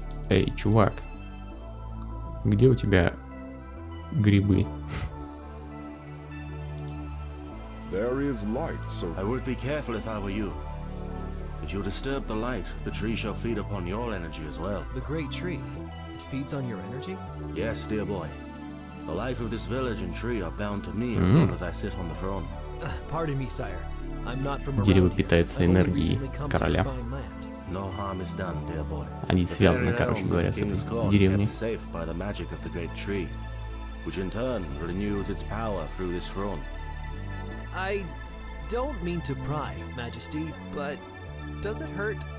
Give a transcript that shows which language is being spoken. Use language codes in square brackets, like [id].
[ru] Эй, чувак, где у тебя грибы? [en] There is light, so... I would be careful if I were you. If you disturb the light, the tree shall feed upon your energy as well. The great tree? It feeds on your energy? Yes, dear boy. The life of this village and tree are bound to me as long as I sit on the throne. Pardon me, sire. I'm not from [ru] Дерево питается энергией короля. [en] No harm is done, dear boy. [ru] Они связаны, короче говоря, с этой деревней. [en] Kept safe by the magic of the great tree, which in turn renews its power through this throne. I don't mean to pry, Majesty, but does it hurt?